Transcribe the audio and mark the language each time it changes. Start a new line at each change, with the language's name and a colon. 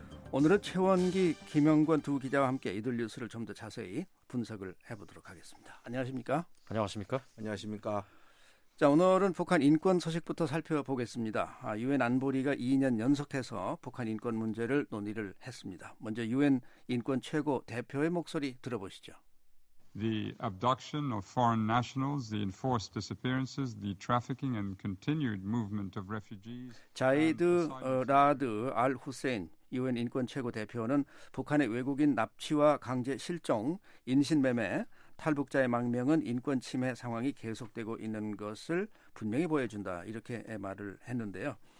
Korean: 오늘은 최원기, 김영권 두 기자와 함께 이들 뉴스를 좀 더 자세히 분석을 해보도록 하겠습니다. 안녕하십니까? 안녕하십니까? 안녕하십니까? 자, 오늘은 북한 인권 소식부터 살펴보겠습니다. 유엔 안보리가 2년 연속해서 북한 인권 문제를 논의를 했습니다. 먼저 유엔 인권 최고 대표의 목소리 들어보시죠.
English: The abduction of foreign nationals, the enforced disappearances, the trafficking and continued movement of refugees.
Korean: 자이드 라드 알 후세인 유엔 인권 최고 대표는 북한의 외국인 납치와 강제 실종, 인신매매, 탈북자의 망명은 인권 침해 상황이 계속되고 있는 것을 분명히 보여준다 이렇게 말을 했는데요.